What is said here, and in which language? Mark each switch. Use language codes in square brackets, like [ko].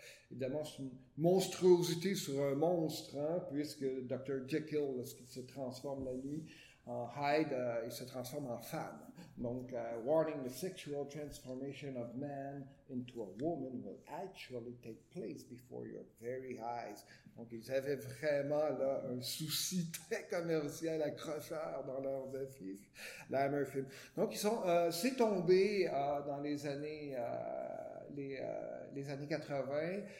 [fr] C'est une monstruosité sur un monstre, hein? Puisque Dr. Jekyll, lorsqu'il se transforme la nuit en Hyde, il se transforme en femme. [en] Donc, warning, the sexual transformation of man into a woman will actually take place before your very eyes. [fr] Donc, ils avaient vraiment là un souci très commercial accrocheur dans leurs affiches, la Hammer Film. Donc, c'est tombé dans les années les années 80.